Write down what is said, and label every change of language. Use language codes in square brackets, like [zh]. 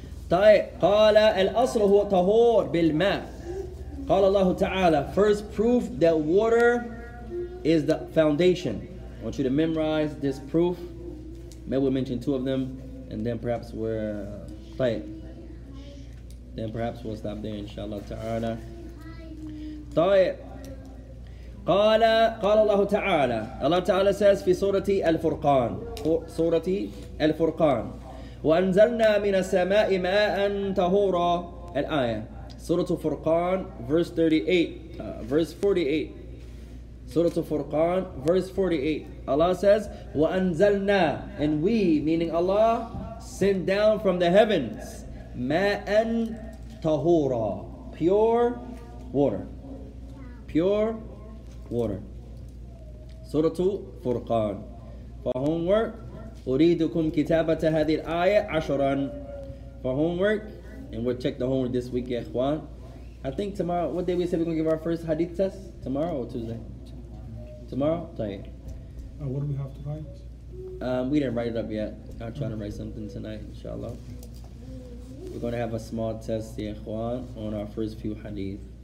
[ar] طيب قال الأصل هو طهور بالماء قال الله تعالى. [en] First proof that water is the foundation. I want you to memorize this proof. Maybe we'll mention two of them and then perhaps we're [ar] طيب. [en] Then perhaps we'll stop there inshallah تعالى. [ar] طيب قال الله تعالى. Allah تعالى says في سورة الفرقان. سورة الفرقان. وَأَنزَلْنَا مِنَ السَّمَاءِ مَاءً طَهُورًا. الآية سورة الفرقان [en] verse 48. Allah says, [ar] وَأَنزَلْنَا, [en] and we, meaning Allah, sent down from the heavens [ar] مَاءً طَهُورًا, [en] pure water. Pure water. سورة الفرقان. For homework, [ar] أريدكم كتابة هذه الآية عشرا. [en] For homework, and we'll check the homework this week, إخوان. I think tomorrow, what day we said we're going to give our first hadith test? Tomorrow or Tuesday? Tomorrow? [ar] طيب. [en] What do we have to write? We didn't write it up yet. I'm trying to write something tonight, inshallah. We're going to have a small test, إخوان, on our first few hadith.